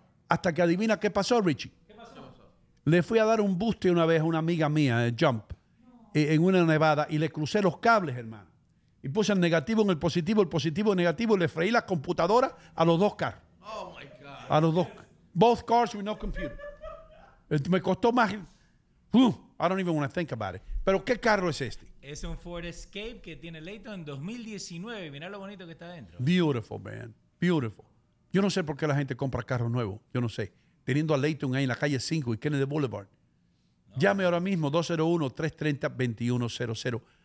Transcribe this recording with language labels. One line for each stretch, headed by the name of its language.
Spanish: Hasta que adivina qué pasó, Richie. ¿Qué pasó? Le fui a dar un buste una vez a una amiga mía, Jump, en una nevada. Y le crucé los cables, hermano. Y puse el negativo en el positivo en negativo, y le freí la computadora a los dos carros.
English: Oh my God.
Spanish: A los dos.
English: Both cars with no computer.
Spanish: Me costó más.
English: I don't even want to think about it.
Spanish: Pero, ¿qué carro es este? Es un Ford Escape que tiene Leighton en 2019. Mirá lo bonito que está adentro.
English: Beautiful, man. Beautiful.
Spanish: Yo no sé por qué la gente compra carros nuevos. Yo no sé. Teniendo a Leighton ahí en la calle 5 y Kennedy Boulevard. No. Llame ahora mismo 201-330-2100.